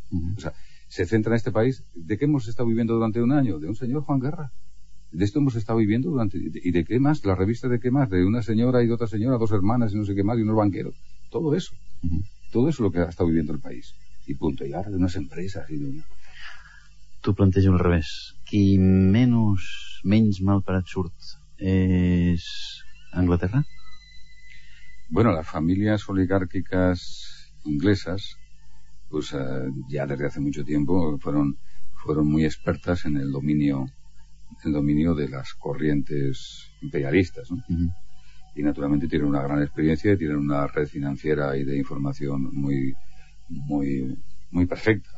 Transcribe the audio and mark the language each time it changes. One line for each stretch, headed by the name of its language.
Spanish: Uh-huh. O sea, se centra en este país, ¿de qué hemos estado viviendo durante un año? De un señor Juan Guerra. De esto hemos estado viviendo durante... ¿Y de qué más? ¿La revista de qué más? De una señora y de otra señora, dos hermanas y no sé qué más, y unos banqueros. Todo eso. Uh-huh. Todo eso es lo que ha estado viviendo el país. Y punto. Y ahora de unas empresas y de una...
Catalan: Tu planteja al revés. Qui menys mal parat surt és Anglaterra?
Spanish: Bueno, las familias oligárquicas inglesas, pues ya desde hace mucho tiempo fueron muy expertas en el dominio de las corrientes imperialistas, ¿no? Uh-huh. Y naturalmente tienen una gran experiencia y tienen una red financiera y de información muy muy muy perfecta.